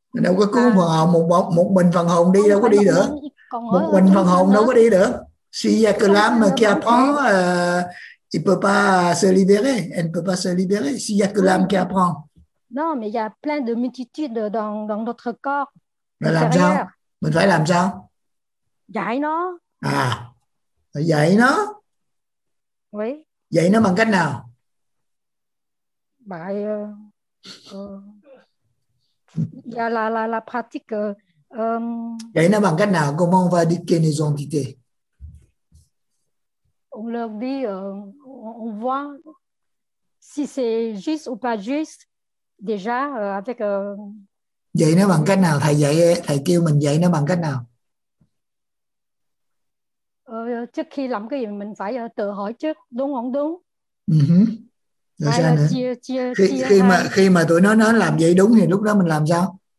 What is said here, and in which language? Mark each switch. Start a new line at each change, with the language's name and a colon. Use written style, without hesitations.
Vietnamese: Đâu có cứu phần hồn, một mình phần hồn đi đâu có đi được. Một mình phần hồn đâu có đi được.
French: Si ya que l'âme qui apprend, il peut pas se libérer, elle peut pas se libérer si ya que l'âme qui apprend. Non, mais il y a plein de multitudes dans notre corps.
Vietnamese: Mais làm sao? Mình phải làm sao? Giải nó. À. Giải nó.
French: Oui.
Vietnamese: Giải nó bằng cách nào?
French: Bài la pratique
Vietnamese: Giải nó bằng cách nào?
French: Comment on va éduquer les entités? On leur dit on voit si c'est juste ou pas juste déjà avec
Vietnamese: Giải nó bằng cách nào? Thầy kêu mình giải nó bằng cách nào? Trước khi làm cái gì mình phải tự hỏi trước, đúng không? Đúng. Rồi sao nữa? Khi mà tụi nó nói làm vậy đúng thì lúc đó mình làm sao?